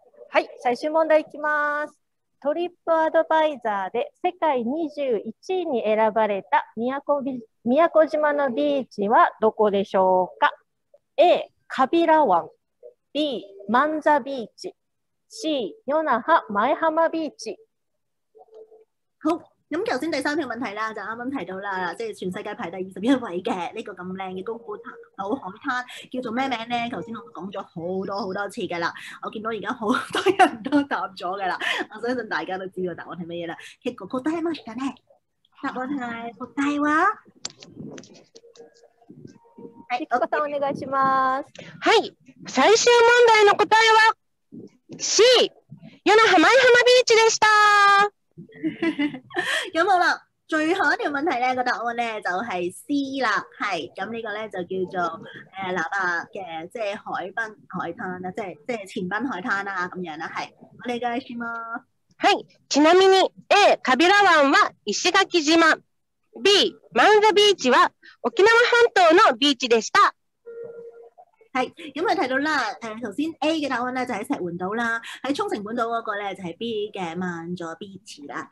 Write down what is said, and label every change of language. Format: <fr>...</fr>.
<ja>はい、最終問題いきます。トリップアドバイザーで世界21位に選ばれた宮古島のビーチはどこでしょうか。 A カビラ湾、B マンザビーチ、C ヨナハ前浜ビーチ。</ja> <yue>好，咁头先第三条问题啦，就啱啱提到啦，即系全世界排第21位嘅呢个咁靓嘅公古岛海滩，叫做咩名咧？头先我讲咗好多好多次噶啦，我见到而家好多人都答咗噶啦，我相信大家都知道答案系乜嘢啦。</yue> <ja>結果答えましたね。</ja> <yue>答案系</yue> <ja>答えは。はい、お答えお願いします。はい、最終問題の答えは C、与那覇前浜ビーチでした。</ja> <yue>咁好啦，最后一条问题咧，个答案咧就系 C 啦。系，咁呢个咧就叫做那霸嘅，即系海滨海滩啦，即系前滨海滩啦，咁样啦，系。</yue> <ja>お願いします。はい、ちなみに A、カビラ湾は石垣島、B、マンザビーチは沖縄半島のビーチでした。</ja> <yue>系，咁啊睇到啦，头先 A 嘅答案咧就喺石垣岛啦，喺冲绳本岛嗰个咧就系 B 嘅曼佐ビーチ啦。</yue>